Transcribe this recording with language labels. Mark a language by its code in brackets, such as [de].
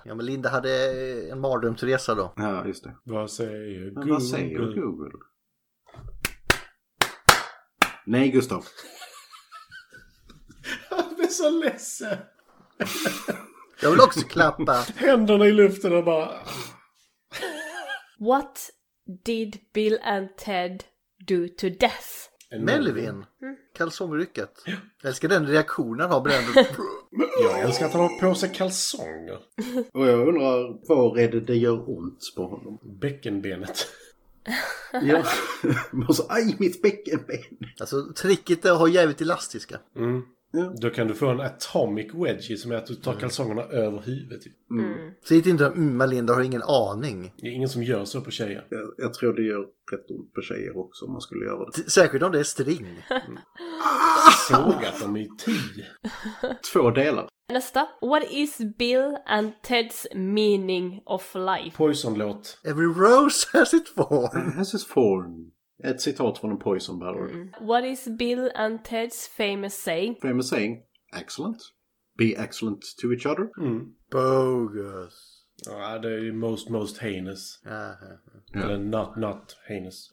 [sv] Ja, men Linda hade en mardrömsresa då. Ja, just det. Vad säger Google? Vad säger Google? Nej, Gustav. Han blir så ledsen. Jag vill också klappa. Händerna i luften och bara... [en] What did Bill and Ted do to death? [sv] Melvin. Mm. Kalsongrycket. Jag älskar den reaktionen har bränt. Jag älskar att han har på sig kalsonger. Och jag undrar, vad är det gör ont på honom? Bäckenbenet. Ja, man sa, aj, mitt bäckenben. Alltså, tricket är att ha jävligt elastiska. Mm. Ja. Då kan du få en [en] atomic wedgie [sv] som är att du tar kalsongerna över huvudet. Typ. Mm. Säg inte om Malinda har ingen aning. Det är ingen som gör så på tjejer. Jag tror det gör rätt ont på tjejer också om man skulle göra det. Särskilt om det är string. Sågat dem i tio. Två delar. Nästa. [en] What is Bill and Ted's meaning of life? [sv] Poison-låt. [en] Every rose has its thorn. Has its thorn. [sv] Ett citat från en Poison Ballad. Mm. [en] What is Bill and Ted's famous saying? Famous saying? Excellent. Be excellent to each other. Mm. Bogus. [sv] Ja, det är [en] most heinous. Aha. [sv] Eller [en] yeah. not heinous.